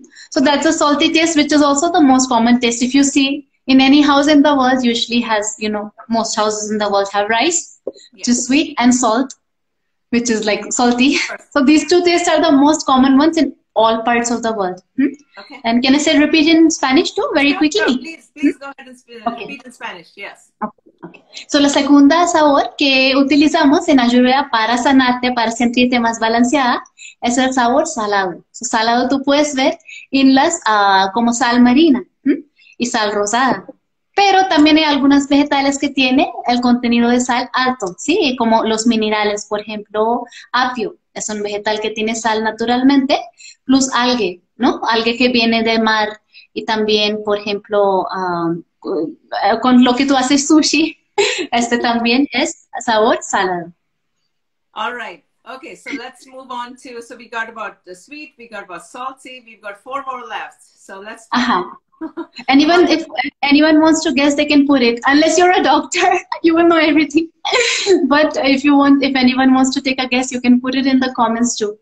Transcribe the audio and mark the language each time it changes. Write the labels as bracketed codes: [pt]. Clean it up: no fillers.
[en] So that's a salty taste, which is also the most common taste. If you see in any house in the world, usually has, you know, most houses in the world have rice, which is sweet, and salt, which is like salty. So these two tastes are the most common ones in all parts of the world. Okay. And can I say repeat in Spanish too, very quickly? Sure. Please go ahead and repeat in Spanish, yes. Okay. [es] So la segunda sabor que utilizamos en Ayurveda para sanarte, para sentirte más balanceada, es el sabor salado. So, salado tú puedes ver en las como sal marina y sal rosada. Pero también hay algunas vegetales que tiene el contenido de sal alto, ¿sí? Como los minerales, por ejemplo, apio. Es un vegetal que tiene sal naturalmente, plus algae, ¿no? Algae que viene de mar y también, por ejemplo, con lo que tú haces sushi, este también es sabor salado. [en] All right. Okay, so let's move on to, so we got about the sweet, we got about salty, we've got four more left. So let's... And even if anyone wants to guess, they can put it. Unless you're a doctor, you will know everything. But if you want, if anyone wants to take a guess, you can put it in the comments too.